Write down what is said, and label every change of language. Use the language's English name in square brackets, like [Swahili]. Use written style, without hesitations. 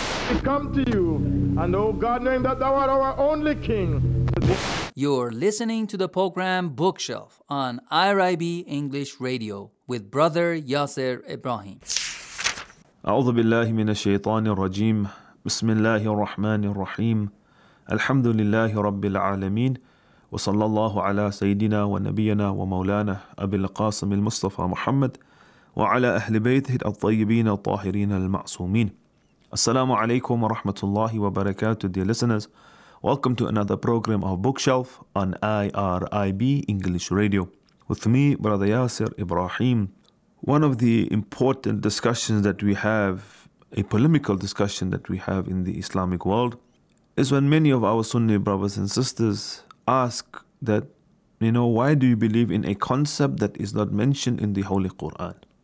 [English] We come to you, and oh God, knowing that thou art our only King. You're listening to the program Bookshelf on IRIB English Radio with Brother Yasser Ibrahim. [Arabic] أعوذ بالله من الشيطان الرجيم بسم الله الرحمن الرحيم الحمد لله رب العالمين وصلى الله على سيدنا ونبينا ومولانا أبي القاسم المصطفى محمد وعلى أهل بيته الطيبين الطاهرين المعصومين السلام عليكم ورحمة الله وبركاته [English] dear listeners. Welcome to another program of Bookshelf on IRIB English Radio. With me, Brother Yasser Ibrahim. One of the important discussions that we have, a polemical discussion that we have in the Islamic world, is when many of our Sunni brothers and sisters ask that, you know, why do you believe in a concept that is not mentioned in the Holy Quran?